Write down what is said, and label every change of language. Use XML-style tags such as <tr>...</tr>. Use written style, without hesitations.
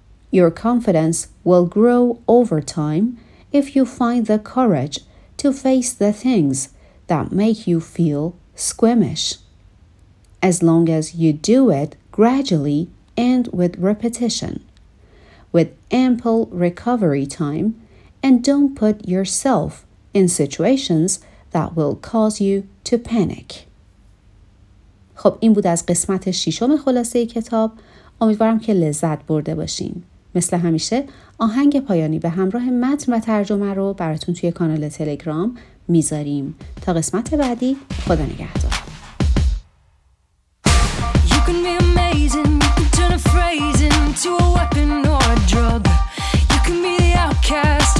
<en>Your confidence will grow over time if you find the courage to face the things that make you feel squeamish. As long as you do it gradually and with repetition, with ample recovery time, and don't put yourself in situations that will cause you to panic.</en> <fa>خب این بود از قسمت ششم خلاصه کتاب. امیدوارم که لذت برده باشین. مثل همیشه آهنگ پایانی به همراه متن و ترجمه رو براتون توی کانال تلگرام میذاریم. تا قسمت بعدی خدا نگهدار.</fa> <en>You can be amazing, you can turn a phrase into a weapon or a drug. You can be the outcast.</en>